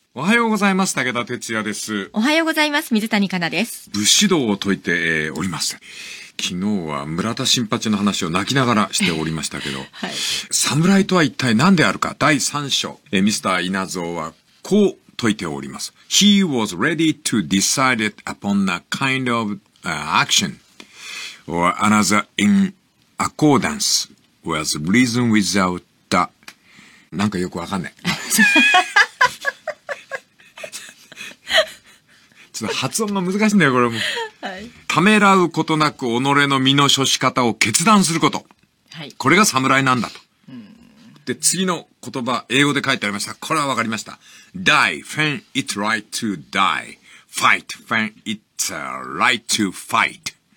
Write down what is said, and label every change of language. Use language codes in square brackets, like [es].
[ja] おはようございます。武田鉄矢です。おはようございます。水谷佳奈です。武士道を説いて、おります。昨日は村田新八の話を泣きながらしておりましたけど、はい、侍とは一体何であるか、第3章、ミスター稲造はこう説いております。 [en] He was ready to decide it upon a kind of action or another in accordance was reason without the... [ja] なんかよくわかんない。ちょっと発音が難しいんだよ、これも、はい。ためらうことなく、己の身の処し方を決断すること。はい、これが侍なんだと、うん。で、次の言葉、英語で書いてありました。これはわかりました。 [en] die, when it's right to die. fight, when it's right to fight.